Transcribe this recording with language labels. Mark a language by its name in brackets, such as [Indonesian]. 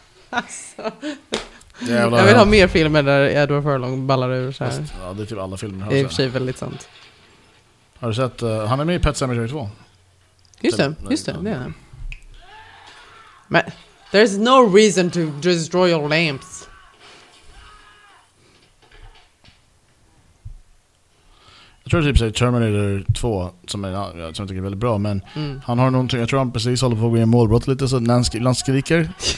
[Swedish] Alltså, jag vill ha mer filmer där Edward Furlong ballar ur så här. Ja, det är typ alla filmer. Det är i och för sig väldigt sant. Har du sett, han är med i Pet Sematary 2. Just det, det är. [English] Men there's no reason to destroy your lamps. [Swedish] Jag tror typ säger Terminator 2 som jag tycker är väldigt bra, men han har någonting, jag tror han precis håller på att gå i en målbrott lite så när han skriker.